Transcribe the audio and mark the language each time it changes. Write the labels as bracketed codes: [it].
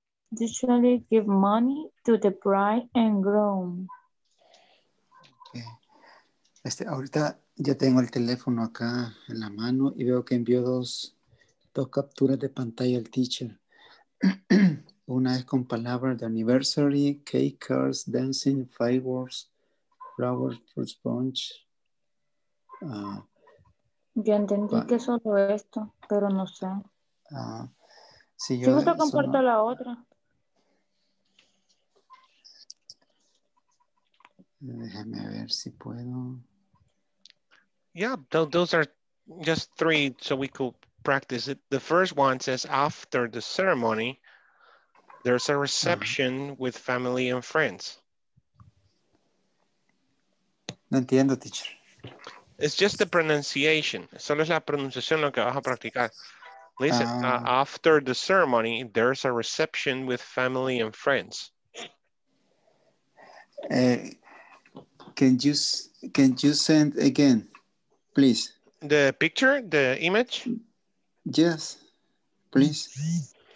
[en] Usually give money to the bride and groom. Okay. [es] Ahorita ya tengo el teléfono acá en la mano y veo que envió dos capturas de pantalla al teacher. Una es con palabras de [en] anniversary, cake, cars, dancing, fireworks, flowers, fruit sponge. [es] Yo entendí que solo esto, pero no sé. Si yo te comparto la otra. Déjame ver si puedo. [en] Yeah, those are just three, so we could practice it. The first one says after the ceremony, there's a reception with family and friends. [es] No entiendo, teacher. [en] It's just the pronunciation. [es] Solo es la pronunciación lo que vas a practicar. [en] Listen, after the ceremony, there's a reception with family and friends. Can you send again, please? The picture, the image? Yes, please.